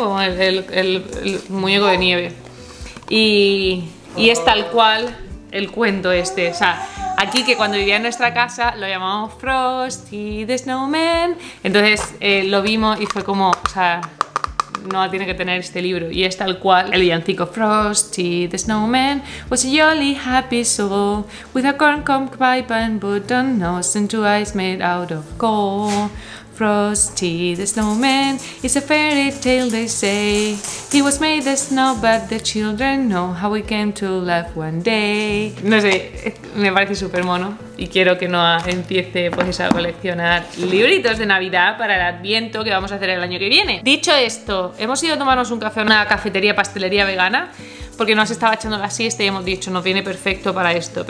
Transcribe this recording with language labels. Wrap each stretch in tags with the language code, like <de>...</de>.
<es>Como el muñeco de nieve. Y es tal cual el cuento este, o sea... Aquí, que cuando vivía en nuestra casa, lo llamamos Frosty the Snowman. Entonces lo vimos y fue como, o sea, Noah tiene que tener este libro. Y es tal cual el villancico</es> <en>Frosty the Snowman was a jolly happy soul with a corncob pipe and button nose and two eyes made out of coal. Frosty the Snowman is a fairy tale, they say. He was made of snow, but the children know how he came to life one day.</en> <es>No sé, me parece súper mono y quiero que Noah empiece pues a coleccionar libritos de Navidad para el Adviento que vamos a hacer el año que viene. Dicho esto, hemos ido a tomarnos un café en una cafetería pastelería vegana porque nos estaba echando la siesta y hemos dicho, nos viene perfecto para esto.</es>